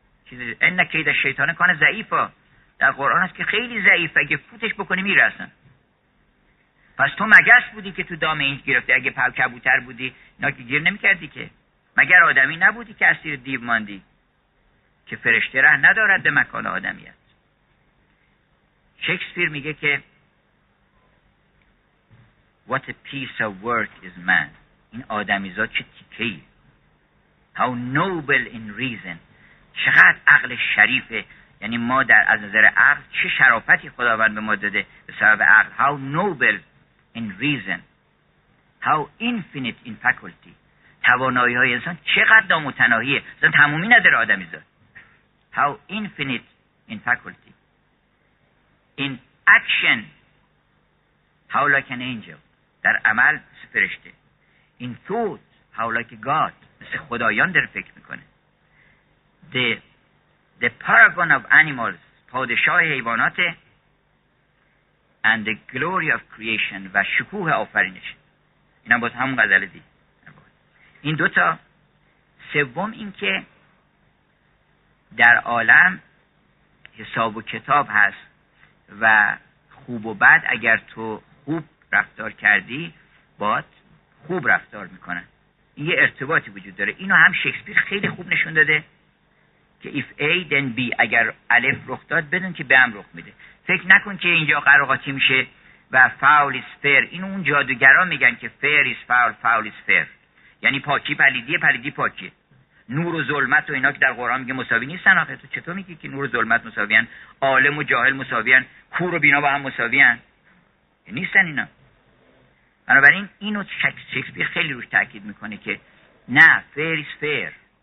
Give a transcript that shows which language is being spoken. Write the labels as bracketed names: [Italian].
[Persian] این نکید شیطان کان ضعیفا در قرآن هست که خیلی ضعیف، اگه فوتش بکنی میره هستن. پس تو مگس بودی که تو دام این گرفتی؟ اگه پر کبوتر بودی اینا که گیر نمی کردی که. مگر آدمی نبودی که اسیر دیو ماندی؟ که فرشته ره ندارد به مکان آدمیت. شکسپیر میگه که [English] What a piece of work is man. [Persian] این آدمیزاد چه تیکهی. [English] How noble in reason. [Persian] چقدر عقل شریفه. یعنی ما در از نظر عقل چه شرافتی خداوند به ما داده به سبب عقل. [English] How noble in reason. How infinite in faculty. [Persian] توانایی های انسان چقدر نامتناهیه. انسان تمومی نداره آدمیزاد. [English] How infinite in faculty. In action. How like an angel. [Persian] در عمل مثل فرشته. [English] In thought. How like a god. [Persian] مثل خدایان داره فکر میکنه. [English] The paragon of animals. [Persian] پادشاه حیواناته. [English] And the glory of creation. [Persian] و شکوه آفرینش. این هم باید همون غزل دی. این دوتا. سوم این که در عالم حساب و کتاب هست و خوب و بد. اگر تو خوب رفتار کردی باید خوب رفتار میکنن. این یه ارتباطی وجود داره. اینو هم شکسپیر خیلی خوب نشون داده که [English] if A then B. [Persian] اگر الف رخ داد بدون که به هم رخ میده. فکر نکن که اینجا قراقاتی میشه و [English] foul is fair. [Persian] اینو اون جادوگران میگن که [English] fair is foul, foul is fair. [Persian] یعنی پاکی پلیدیه، پلیدی پاکی. نور و ظلمت و اینا که در قرآن میگه مساوی نیستن. آخه تو چطور میگی که نور و ظلمت مساویان؟ عالم و جاهل مساویان؟ کور و بینا با هم مساویان؟ نیستن اینا. بنابراین اینو شکسپیر خیلی روش تاکید میکنه که نه، [English] fair is fair.